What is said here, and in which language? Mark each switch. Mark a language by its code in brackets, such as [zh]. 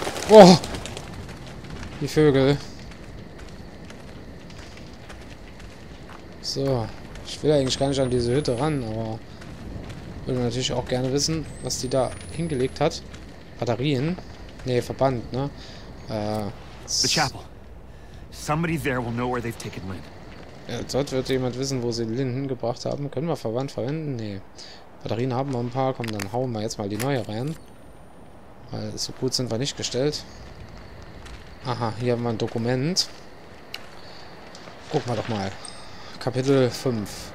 [de] Oh! Die Vögel. So. Ich will eigentlich gar nicht an diese Hütte ran, aber würde natürlich auch gerne wissen, was die da hingelegt hat. Batterien? Nee, Verband, ne? [en] The chapel. Somebody there will know where they've taken Lynn. [de] Ja, dort wird jemand wissen, wo sie Lynn hingebracht haben. Können wir Verband verwenden? Nee. Batterien haben wir ein paar. Komm, dann hauen wir jetzt mal die neue rein. Weil so gut sind wir nicht gestellt. Aha, hier haben wir ein Dokument. Gucken wir doch mal. Kapitel 5.